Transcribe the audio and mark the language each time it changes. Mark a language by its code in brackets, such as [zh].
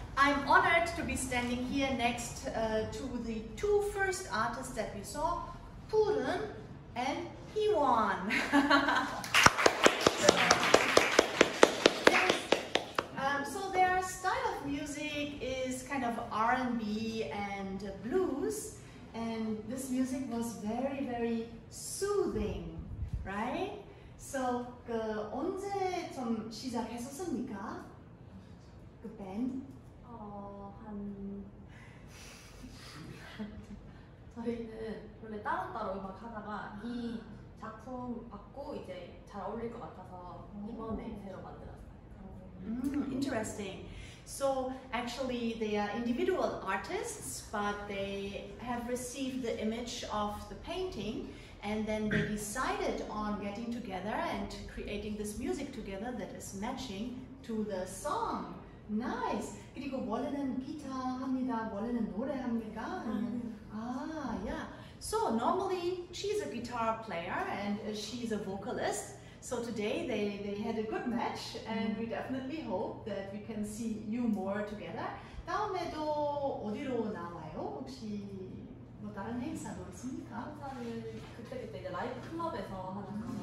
[en] I'm honored to be standing here next to the two first artists that we saw, Purun and Hiwon. Yes. So their style of music is kind of R&B and blues, and this music was very, very soothing, right? [ko] So, 그 언제 좀 시작했었습니까? 그 밴드? 한... 저희는 원래 따로따로 음악 하다가 이 작품 받고 이제 잘 어울릴 것 같아서 이번에 새로 만들었어요. [en] Interesting. So actually they are individual artists, but they have received the image of the painting and then they decided on getting together and creating this music together that is matching to the song. Nice. [ko] 그리고 원래는 기타 합니다. 원래는 노래 합니까? 아, yeah. [en] So normally she's a guitar player and she's a vocalist. So today they had a good match and we definitely hope that we can see you more together. [ko] 다음에도 어디로 나와요? 혹시 뭐 다른 행사도 있습니까? 행사는 그때 이제 라이브 클럽에서 하는